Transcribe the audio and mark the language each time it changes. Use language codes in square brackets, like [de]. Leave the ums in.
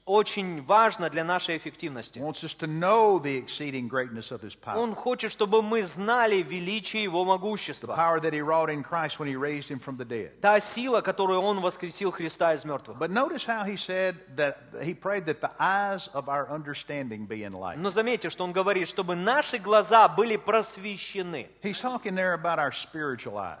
[ru] Очень важно для нашей эффективности. [en] Wants us to know the exceeding greatness of his power. [ru] Он хочет, чтобы мы знали величие его могущества. [en] The power that he wrought in Christ when he raised him from the dead. [ru] Та сила, которую он воскресил Христа из мертвых. [en] But notice how he said that he prayed that the eyes of our understanding be enlightened. [ru] Но заметьте, что он говорит, чтобы наши глаза были просвещены. [en] He's talking there about our spiritual eyes.